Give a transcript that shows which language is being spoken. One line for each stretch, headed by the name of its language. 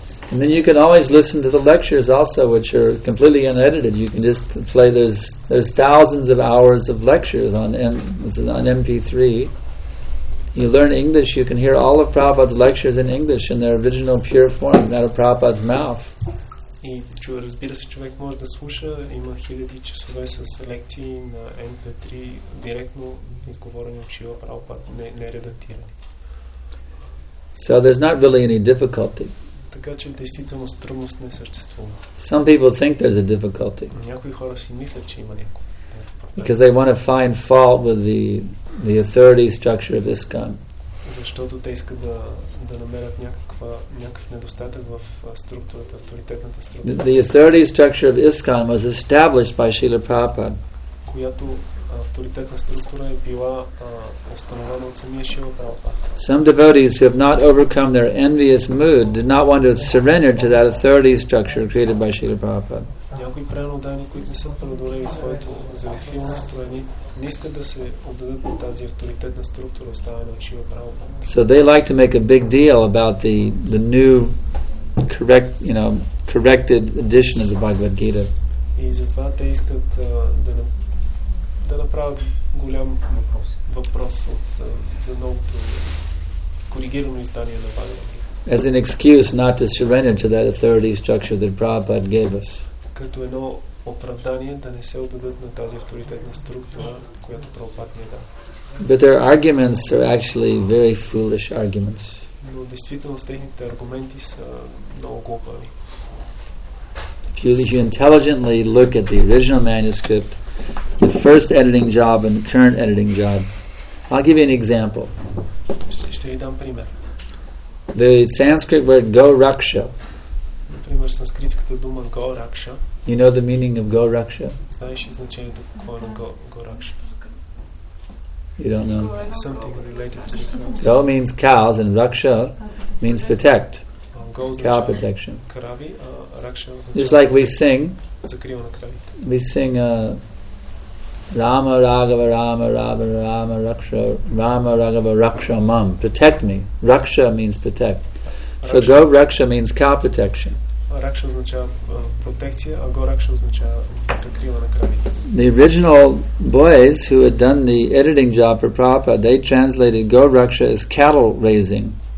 English: And then you can always listen to the lectures also, which are completely unedited. You can just play, there's thousands of hours of lectures on MP3. You learn English, you can hear all of Prabhupada's lectures in English in their original pure form, out of Prabhupada's mouth.
Bulgarian: И разбира се, човек може да слуша, има хиляди часове с лекции на MP3, директно изговорени от Шрила Прабхупада, не редактирани.
English: So there's not really any difficulty.
Bulgarian: Така че действителност трудност не съществува.
English: Some people think there's a difficulty.
Bulgarian: Някои хора си мислят, че има някакво.
English: Because they want to find fault with the authority structure of ISKCON.
Bulgarian: Защото те искат да намерят някакъв недостатък в структурата, авторитетната структура.
English: The authority structure of ISKCON was established by Srila Prabhupada.
Bulgarian: Която авторитетна структура е била установена от самия Шрила Прабхупада.
English: Some devotees who have not overcome their envious mood did not want to surrender to that authority structure created by Srila Prabhupada.
Bulgarian: Някои преданодайни, които не са преодолели своето завихливо настроение, не искат да се отдадат на тази авторитетна структура, оставена от Шрила Прабхупада.
English: So they like to make a big deal about the new correct, you know, corrected edition of the Bhagavad Gita.
Bulgarian: И затова те искат да направят голям въпрос за новото коригирано издание на Бхагавад Гита.
English: As an excuse not to surrender to that authority structure that Prabhupada gave us.
Bulgarian: Като едно оправдание да не се отдадат на тази авторитетна структура, която Прабхупада ни даде.
English: But their arguments are actually very foolish arguments.
Bulgarian: Но действително техните аргументи са много глупави.
English: If you intelligently look at the original manuscript, the first editing job and the current editing job. I'll give you an example.
Bulgarian: Ще ви дам пример.
English: The Sanskrit word Gauraksha.
Bulgarian: Например, санскритската дума Gauraksha.
English: You know the meaning of Gauraksha?
Bulgarian: Знаеш ли значението какво е Gauraksha?
English: You don't know. Something related to cows. Go means cows and Raksha means protect. Cow protection.
Bulgarian: Крави, Raksha.
English: Just like we sing.
Bulgarian: Закрива на кравите.
English: We sing
Sanskrit: Rama Raghava Rama Raghava Rama Raksha Rama Raghava Raksha Mam.
English: Protect me. Raksha means protect. So Raksha. Go Raksha means cow protection.
Bulgarian: Raksha означава protection, а Go Raksha означава закрива на кравите.
English: The original boys who had done the editing job for Prabhupada, they translated Go Raksha as cattle raising.